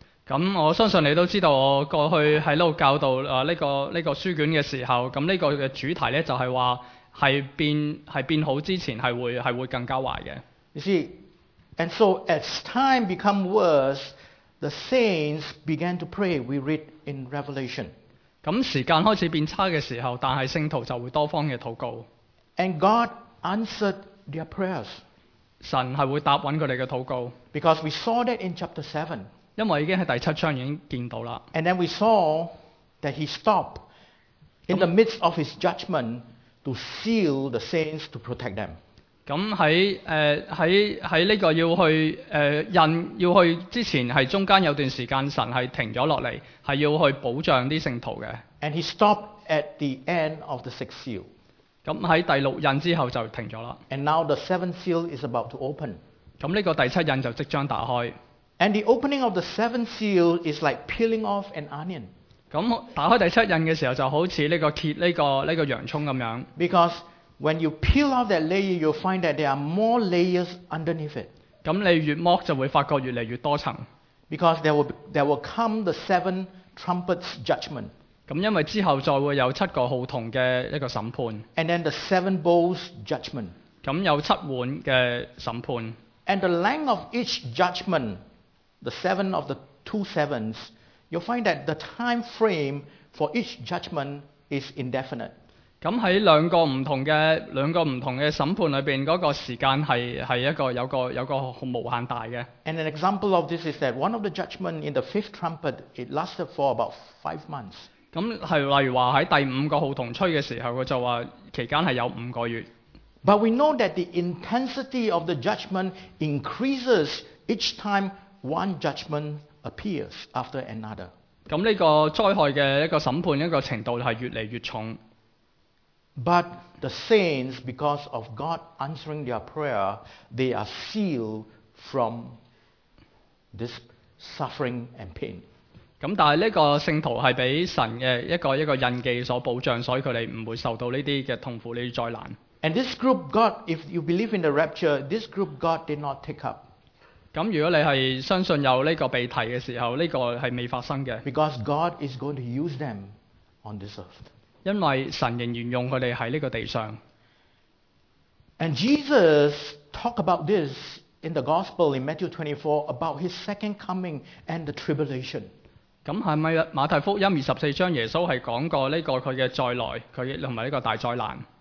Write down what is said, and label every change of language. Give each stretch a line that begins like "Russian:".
Cantonese: 咁我相信你都知道，我過去喺呢度教導呢個書卷嘅時候，咁呢個嘅主題咧就係話係變好之前係會更加壞嘅。
English: You see, and so as time become worse, the saints began to pray. We read in Revelation.
Cantonese: 咁時間開始變差嘅時候，但係聖徒就會多方嘅禱告。
English: And God answered their prayers.
Cantonese: 神係會答允佢哋嘅禱告。
English: Because we saw that in chapter 7.
Cantonese: 因為已經喺第七章已經見到啦。
English: And then we saw that he stopped in the midst of his judgment to seal the saints to protect them.
Cantonese: 咁喺呢個要去印要去之前，係中間有段時間神係停咗落嚟，係要去保障啲聖徒嘅。
English: And he stopped at the end of the sixth seal.
Cantonese: 咁喺第六印之後就停咗啦。
English: And now the seventh seal is about to open.
Cantonese: 咁呢個第七印就即將打開。
English: And the opening of the seventh seal is like peeling off an onion.
Cantonese: 咁打開第七印嘅時候就好似呢個洋葱咁樣。
English: Because when you peel off that layer, you'll find that there are more layers underneath it.
Cantonese: 咁你越剝就會發覺越嚟越多層。
English: Because there will come the seven trumpets judgment.
Cantonese: 咁因為之後再會有七個號筒嘅一個審判。
English: And then the seven bowls judgment.
Cantonese: 咁有七碗嘅審判。
English: And the length of each judgment, the seven of the two sevens, you'll find that the time frame for each judgment is indefinite.
Cantonese: 咁喺兩個唔同嘅審判裏面嗰個時間係一個有個無限大嘅。
English: And an example of this is that one of the judgment in the fifth trumpet, it lasted for about 5 months.
Cantonese: 咁係例如話喺第五個號筒吹嘅時候，佢就話期間係有五個月。
English: But we know that the intensity of the judgment increases each time one judgment appears after another.
Cantonese: 咁呢個災害嘅一個審判一個程度係越嚟越重。
English: But the saints, because of God answering their prayer, they are sealed from this suffering and pain.
Cantonese: 咁但係呢個聖徒係俾神嘅一個印記所保障，所以佢哋唔會受到呢啲嘅痛苦、呢啲災難。
English: And this group God, if you believe in the rapture, this group God did not take up.
Cantonese: 咁如果你係相信有呢個被提嘅時候，呢個係未發生嘅。
English: Because God is going to use them on this earth.
Cantonese: 因為神仍然用佢哋喺呢個地上。
English: And Jesus talked about this in the Gospel in Matthew 24 about his second coming and the tribulation.
Cantonese: 咁係咪馬太福音24章耶穌係講過呢個佢嘅再來，佢同埋呢個大災難